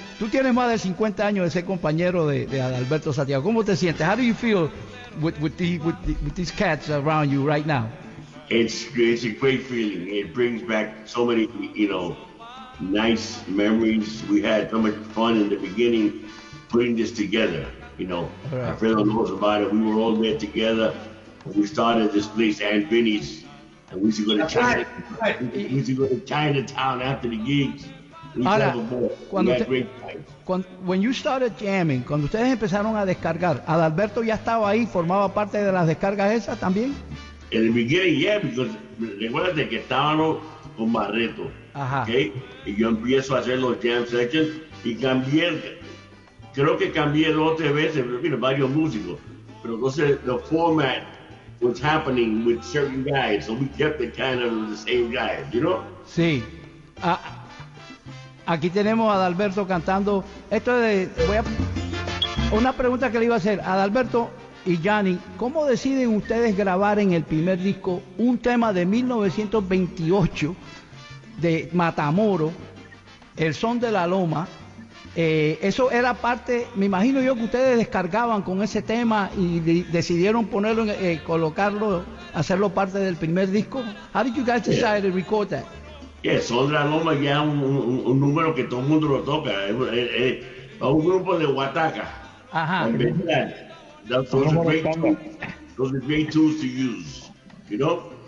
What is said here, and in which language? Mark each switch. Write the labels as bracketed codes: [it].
[es] Tú tienes más de 50 años de ser compañero de Adalberto Santiago. ¿Cómo te sientes? [en] How do you feel with these cats around you right now? It's a great feeling. It brings back so many, you know, nice memories. We had so much fun in the beginning putting this together, you know. Right. Alfredo knows about it. We were all there together. We started this place, Aunt Vinny's, and we used to go to China. We used to go to Chinatown after the gigs. [es] Ahora, [en] when you started jamming, [es] cuando ustedes empezaron a descargar, Adalberto ya estaba ahí, formaba parte de las descargas esas también. En el [en] beginning, yeah, because [es] recuerda que estábamos con Barreto. Ajá. [en] Okay? [es] Y yo empiezo a hacer los jam sessions y cambié, creo que cambié dos o tres veces, pero mira, varios músicos. Pero entonces, [en] the format was happening with certain guys, so we kept it kind of the same guys, you know? [es] Sí. Aquí tenemos a Adalberto cantando. Esto es de. Una pregunta que le iba a hacer a Adalberto y Gianni. ¿Cómo deciden ustedes grabar en el primer disco un tema de 1928 de Matamoro, El Son de la Loma? Eso era parte. Me imagino yo que ustedes descargaban con ese tema y decidieron ponerlo, colocarlo, hacerlo parte del primer disco. [en] How did you guys decide to record that? [es] Yeah, Son de la Loma ya un número que todo el mundo lo toca. Es un grupo de Huataca. Ajá. [en] Those are great tools to use, you know?